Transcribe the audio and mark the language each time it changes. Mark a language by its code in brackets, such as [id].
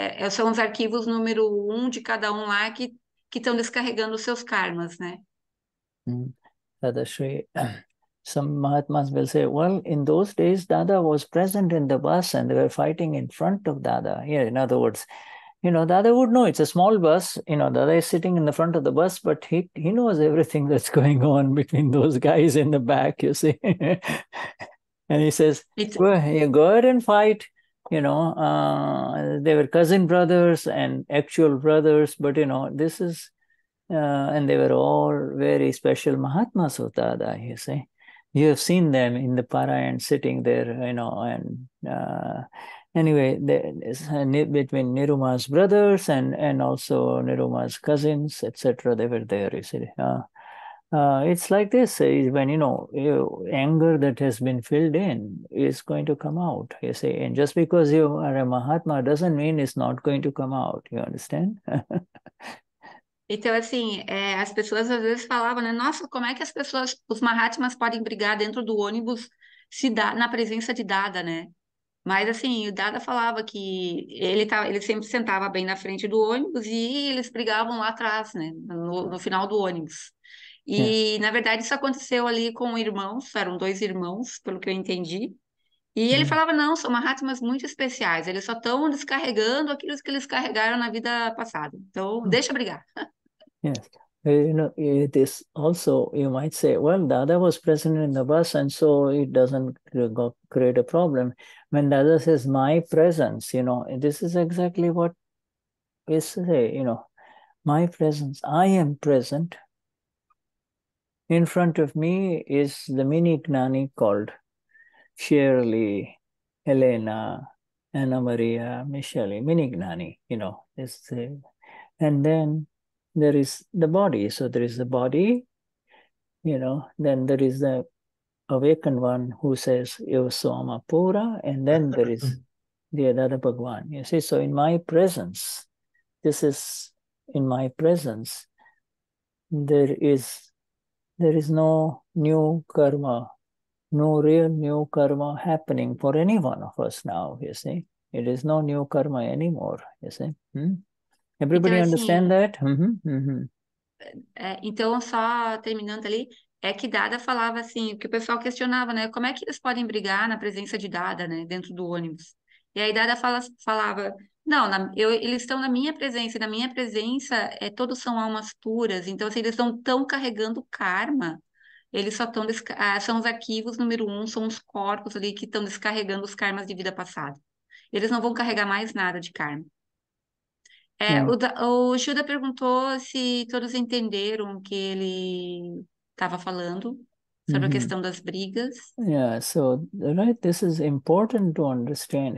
[pt] são os arquivos número um de cada um lá que estão descarregando os seus karmas, né? [en] Dadashri, some Mahatmas will say, well, in those days, Dada was present in the bus and they were fighting in front of Dada. Yeah, in other words, you know, Dada would know it's a small bus. You know, Dada is sitting in the front of the bus, but he knows everything that's going on between those guys in the back, you see. And he says, well, you go ahead and fight. You know, they were cousin brothers and actual brothers, but, you know, this is... and they were all very special Mahatmas of Dada, you see. You have seen them in the Parayan sitting there, you know. And anyway, between Niruma's brothers and also Niruma's cousins, etc., they were there, you see. It's like this, when, you know, anger that has been filled in is going to come out, you see. And just because you are a Mahatma doesn't mean it's not going to come out, you understand? [pt] Então, assim, as pessoas às vezes falavam, né? Nossa, como é que as pessoas, os Mahatmas podem brigar dentro do ônibus se dá, na presença de Dada, né? Mas, assim, o Dada falava que ele sempre sentava bem na frente do ônibus e eles brigavam lá atrás, né? No final do ônibus. E, na verdade, isso aconteceu ali com irmãos, eram dois irmãos, pelo que eu entendi. E ele falava, não, são Mahatmas muito especiais, eles só estão descarregando aquilo que eles carregaram na vida passada. Então, deixa brigar. [en] Yes. You know, it is also, you might say, well, Dada was present in the bus, and so it doesn't create a problem. When Dada says, my presence, you know, this is exactly what we say, you know, my presence, I am present. In front of me is the mini Gnani called Shirley, Elena, Ana Maria, Michelle, mini Gnani, you know. And then there is the body. So there is the body, you know. Then there is the awakened one who says, [pt] Eoso Amapura. [en] And then there is the Dada Bhagwan. You see, so in my presence, this is in my presence, there is no new karma, no real new karma happening for any one of us now, you see. It is no new karma anymore, you see. Everybody [pt] então, [en] understand [pt] assim, [en] that? [pt] É, então, só terminando ali, é que Dada falava assim, que o pessoal questionava, né? Como é que eles podem brigar na presença de Dada, né? Dentro do ônibus. E aí Dada falava, não, eles estão na minha presença, e na minha presença é, todos são almas puras. Então, assim, eles não estão carregando karma. Eles só estão, são os arquivos número um, são os corpos ali que estão descarregando os karmas de vida passada. Eles não vão carregar mais nada de karma. É, o Shuddha perguntou se todos entenderam o que ele estava falando sobre a questão das brigas. [en] Yeah, so, right, this is important to understand.